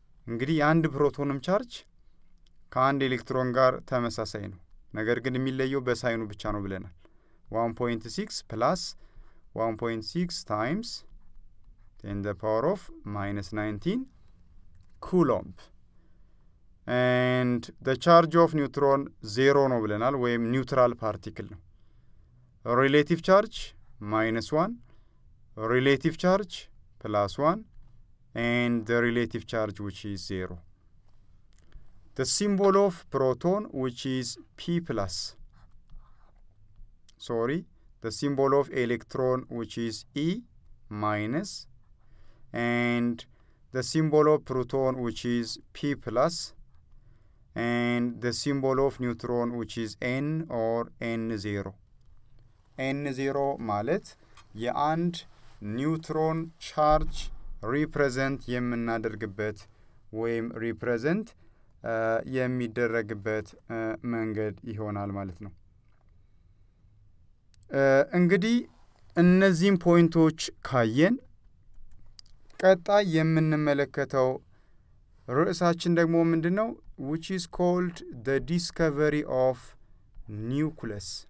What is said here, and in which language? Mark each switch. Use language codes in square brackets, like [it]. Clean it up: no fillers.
[am] እንግዲህ አንድ ፕሮቶንም ቻርጅ ከአንድ ኤሌክትሮን ጋር ተመሳሳይ ነው። ነገር ግን የሚለየው በሳይኑ ብቻ ነው ብለናል። [en] 1.6 plus 1.6 times 10 to the power of minus 19 coulomb. And the charge of neutron 0 [am] ነው ብለናል, ወይም [en] neutral particle ነው. Relative charge, minus 1. Relative charge, plus 1. And the relative charge, which is 0. The symbol of proton, which is P plus. Sorry. The symbol of electron, which is E minus. And the symbol of proton, which is P plus. And the symbol of neutron, which is N or N0. [am] N0 ማለት የአንድ ኒውትሮን ቻርጅ ሪፕሬዘንት የምናደርግበት ወይም ሪፕሬዘንት የሚደረግበት መንገድ ይሆናል ማለት ነው። እንግዲህ እነዚህን ፖይንቶች ካየን ቀጣይ የምንመለከተው ርዕሳችን ደግሞ ምንድነው? [en] Which is called the discovery of nucleus.